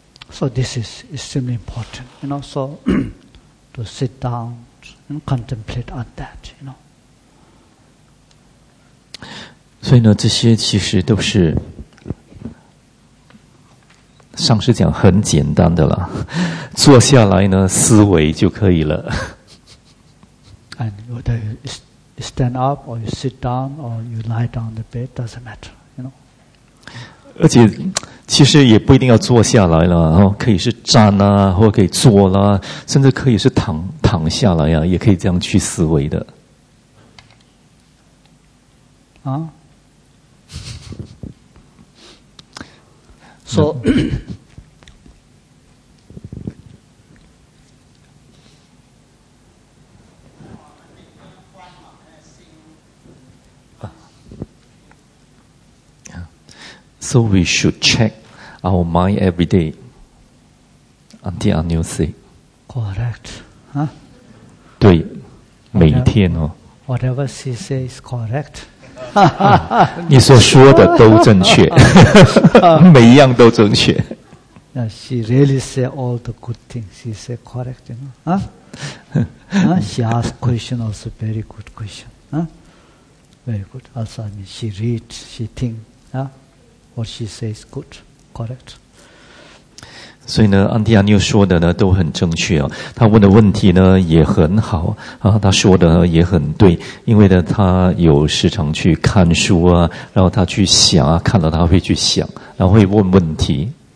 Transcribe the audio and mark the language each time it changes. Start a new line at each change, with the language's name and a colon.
English: So this is extremely important, you know, so to sit down and contemplate on that, you know.
Chinese: 所以呢，这些其实都是上师讲很简单的了，坐下来呢思维就可以了。
English: And whether you stand up or you sit down or you lie down the bed, doesn't matter, you know.
Chinese: 而且其实也不一定要坐下来了，可以是站啊，或可以坐啦，甚至可以是躺下来啊，也可以这样去思维的啊。
English: So So we should check our mind every day until our new sleep. Correct. Huh?
Chinese: 对，每一天哦。
English: Whatever she says is correct.
Chinese: 你所说的都正确，每一样都正确。
English: Yeah, she really say all the good things. She say correct, you know. Huh? She ask question also very good question. Huh? Very good. Also, I mean, she read, she think. Huh?What she says is good, correct.
Chinese: 所以呢，安迪亚妞说的呢都很正确啊。他问的问题呢也很好啊，他说的也很对。因为呢，他有时常去看书啊，然后他去想啊，看了他会去想，然后会问问题。